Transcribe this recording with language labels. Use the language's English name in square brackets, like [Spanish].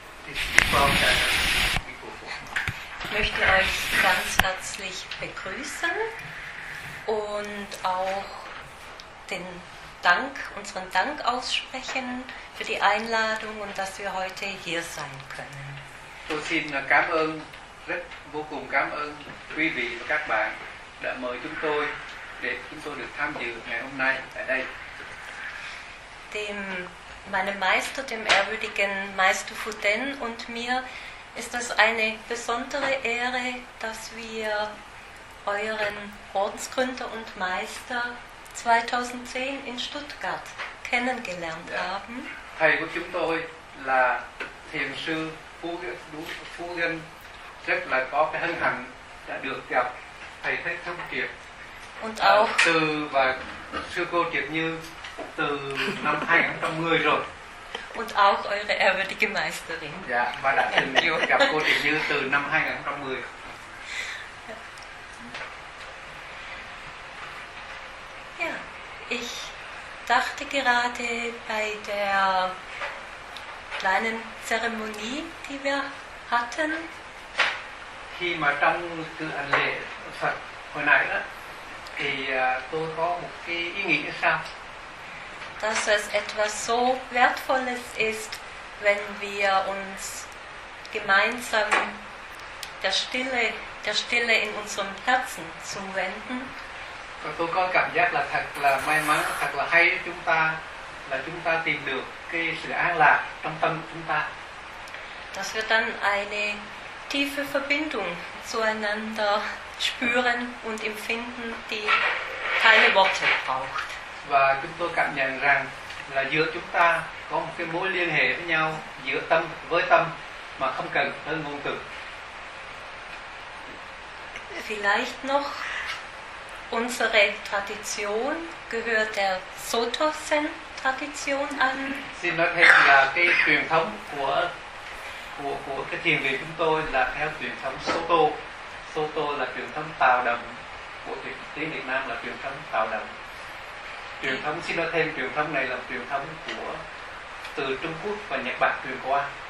[German] Ich brauche ein Mikrofon. Ich möchte euch ganz herzlich begrüßen und auch den Dank, unseren Dank aussprechen für die Einladung und dass wir heute hier sein können. [Vietnamese] Tôi xin cảm ơn, rất vô cùng cảm ơn quý vị và các bạn đã mời chúng tôi để chúng tôi được tham dự ngày hôm nay tại đây. [German] Dem meinem Meister, dem ehrwürdigen Meister Fuden und mir ist es eine besondere Ehre, dass wir euren Ordensgründer und Meister 2010 in Stuttgart kennengelernt haben. [Vietnamese] Thầy của chúng tôi là thiền sư Fuden, rất là có cái hân hạnh đã được gặp thầy Thích Thông Kiệt. [German] Und auch [Vietnamese] từ và sư cô Triệt Như từ năm 2010 rồi. [German] Und auch eure ehrwürdige Meisterin. [Vietnamese] Dạ, và đã từng gặp cô Triệt Như từ năm 2010. [German] Ja, ich dachte gerade bei der kleinen Zeremonie, die wir hatten. [Vietnamese] Khi mà trong sự hành lễ Phật hồi nãy đó, thì tôi có một cái ý nghĩ như sau. [German] Dass es etwas so Wertvolles ist, wenn wir uns gemeinsam der Stille in unserem Herzen zuwenden. [Vietnamese] Và tôi có cảm giác là thật là may mắn, thật là hay chúng ta, là chúng ta tìm được cái sự an lạc trong tâm của chúng ta. [German] Dass wir dann eine tiefe Verbindung zueinander spüren und empfinden, die keine Worte braucht. [Vietnamese] Và chúng tôi cảm nhận rằng là giữa chúng ta có một cái mối liên hệ với nhau giữa tâm với tâm mà không cần tới ngôn từ. [German] Vielleicht noch unsere Tradition gehört der Soto-Zen-Tradition an. [Vietnamese] Xin nói thêm là cái truyền thống của cái thiền viện chúng tôi là theo truyền thống Soto. Soto là truyền thống Tào Đồng, của tiếng Việt Nam là truyền thống Tào Đồng. Truyền thống, xin nói thêm, truyền thống này là truyền thống của từ Trung Quốc và Nhật Bản truyền qua.